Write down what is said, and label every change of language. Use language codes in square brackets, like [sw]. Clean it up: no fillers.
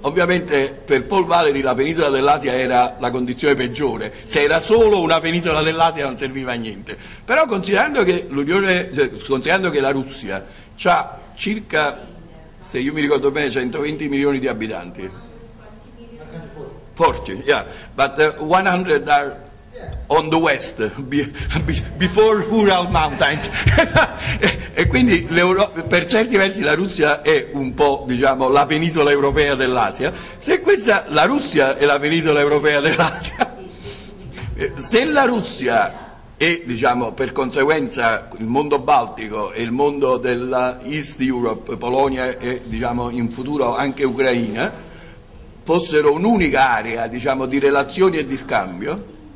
[it] Ovviamente per Paul Valéry la penisola dell'Asia era la condizione peggiore, se era solo una penisola dell'Asia non serviva a niente. Però considerando che l'Unione, considerando che la Russia ha circa, se io mi ricordo bene, 120 milioni di abitanti. [en] 40, yeah. But 100 are on the west, before Ural Mountains. [it] E quindi per certi versi la Russia è un po', diciamo, la penisola europea dell'Asia. Se questa, la Russia è la penisola europea dell'Asia, se la Russia e, diciamo, per conseguenza il mondo baltico e il mondo della [en] East Europe, [it] Polonia e, diciamo, in futuro anche Ucraina, fossero un'unica area, diciamo, di relazioni e di scambio,